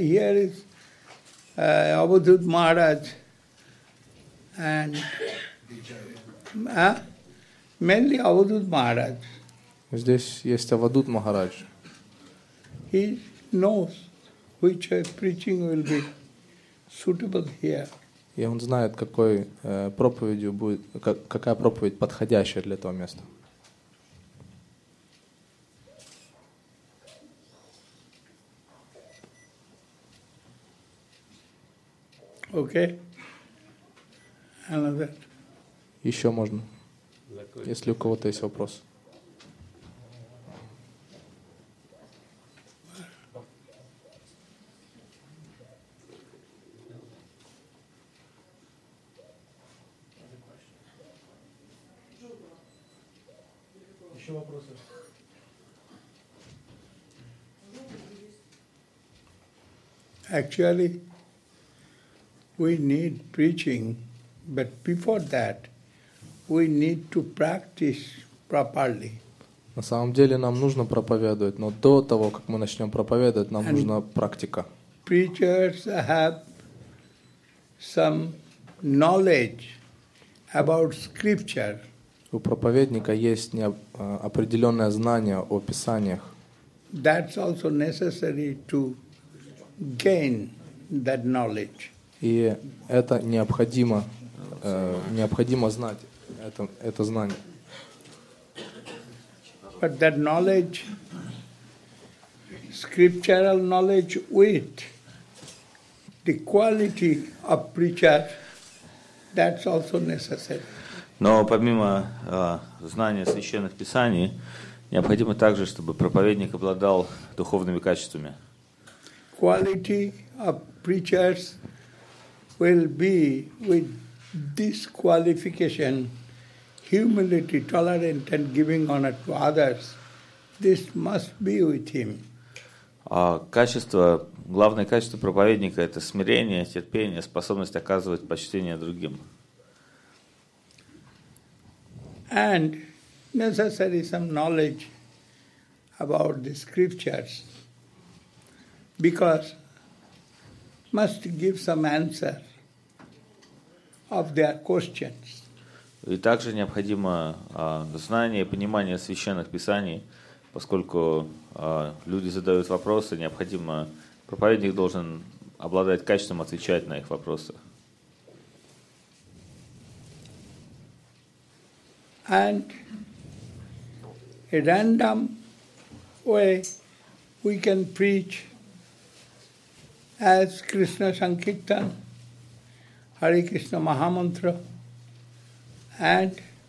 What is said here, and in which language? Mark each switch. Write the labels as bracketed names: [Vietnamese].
[English] Here is Abhidhut Maharaj and mainly Avadhut Maharaj. [Russian] Здесь есть Avadhut Maharaj. [English] He knows which preaching will be suitable here. [Russian] И он знает, какой проповедью будет, какая проповедь подходящая для этого места. [English] Okay. Another. [Russian] Еще можно. Если у кого-то есть вопрос. Еще вопросы? [English] Actually, we need preaching, but before that, we need to practice properly. [Russian] На самом деле нам нужно проповедовать, но до того, как мы начнем проповедовать, нам нужна практика. [English] Preachers have some knowledge about scripture. [Russian] У проповедника есть определенное знание о писаниях. [English] That's also necessary to gain that knowledge. [Russian] И это необходимо, необходимо знать. Это знание. [English] But that knowledge, scriptural knowledge with the quality of preacher, that's also necessary. [Russian] Но помимо знания священных писаний, необходимо также, чтобы проповедник обладал духовными качествами. [English] Quality of preachers will be with this qualification. Humility, tolerant, and giving honor to others. This must be with him. [Russian] Качество, главное качество проповедника — это смирение, терпение, способность оказывать почтение другим. [English] And necessary some knowledge about the scriptures, because must give some answer of their questions. [Russian] И также необходимо знание и понимание священных писаний, поскольку люди задают вопросы, необходимо, проповедник должен обладать качеством отвечать на их вопросы. [English] And a random way we can preach as Krishna Sankirtan, Hare Krishna Mahamantra, and